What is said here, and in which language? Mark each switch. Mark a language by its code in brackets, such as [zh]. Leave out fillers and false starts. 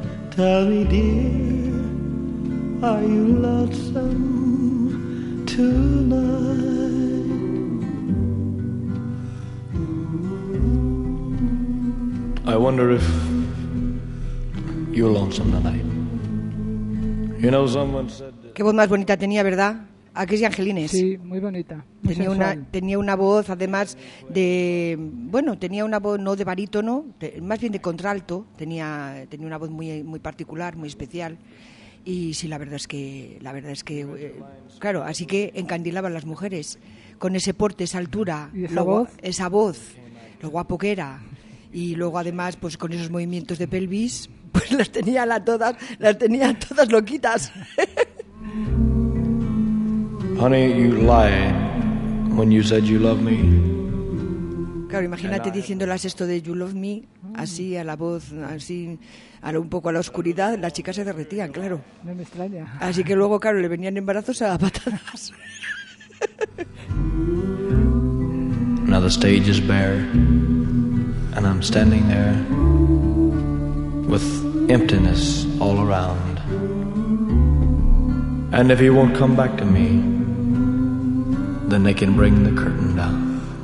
[en] Tell me, dear, are you lonesome tonight? I wonder if you're lonesome tonight. You know, someone said. [es] Qué voz más bonita tenía, ¿verdad? ¿A qué es Angelines? Sí, muy bonita. Tenía una voz, además de, bueno, tenía una voz no de barítono, más bien de contralto. Tenía una voz muy muy particular, muy especial. Y sí, la verdad es que, claro, así que encandilaba a las mujeres con ese porte, esa altura, esa voz, lo guapo que era. Y luego además, pues con esos movimientos de pelvis, pues las tenía todas loquitas. [en] Honey, you lied when you said you love me. [es] Claro, imagínate diciéndolas esto de [en] you love me, [es] así a la voz, así un poco a la oscuridad, las chicas se derretían, claro. No me extraña. Así que luego, claro, le venían embarazos a patadas. [en] Now the stage is bare, and I'm standing there with emptiness all around. And if he won't come back to me, then they can bring the curtain down.